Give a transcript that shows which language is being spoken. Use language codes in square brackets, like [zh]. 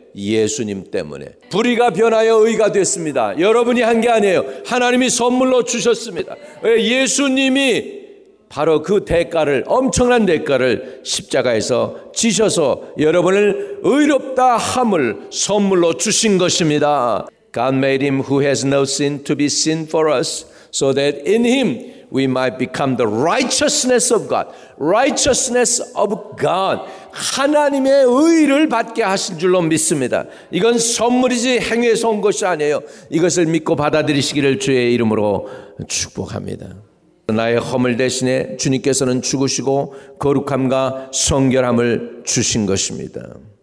[ko] 예수님 때문에. 불의가 변하여 의가 됐습니다. 여러분이 한 게 아니에요. 하나님이 선물로 주셨습니다. 예수님이 바로 그 대가를 엄청난 대가를 십자가에서 지셔서 여러분을 의롭다 함을 선물로 주신 것입니다. [en] God made him who has no sin to be sin for us so that in him we might become the righteousness of God. Righteousness of God. [ko] 하나님의 의를 받게 하신 줄로 믿습니다. 이건 선물이지 행위에서 온 것이 아니에요. 이것을 믿고 받아들이시기를 주의 이름으로 축복합니다. 나의 허물 대신에 주님께서는 죽으시고 거룩함과 성결함을 주신 것입니다.